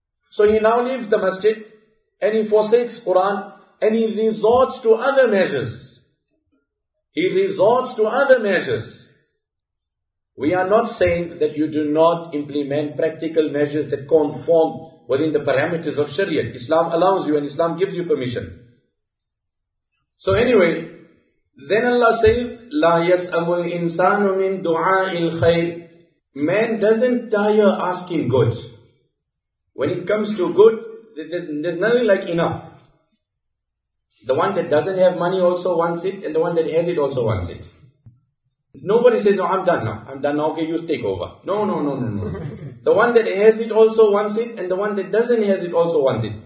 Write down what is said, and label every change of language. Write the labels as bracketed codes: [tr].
[en] So he now leaves the masjid and he forsakes Quran and he resorts to other measures. He resorts to other measures. We are not saying that you do not implement practical measures that conform within the parameters of Sharia. Islam allows you and Islam gives you permission. So anyway, then Allah says, [ar] لَا يَسْأَمُ الْإِنسَانُ مِنْ دُعَاءِ الْخَيْرِ. [en] Man doesn't tire asking good. When it comes to good, there's nothing like enough. The one that doesn't have money also wants it, and the one that has it also wants it. Nobody says, no, I'm done now, okay, you take over. No. The one that has it also wants it, and the one that doesn't has it also wants it.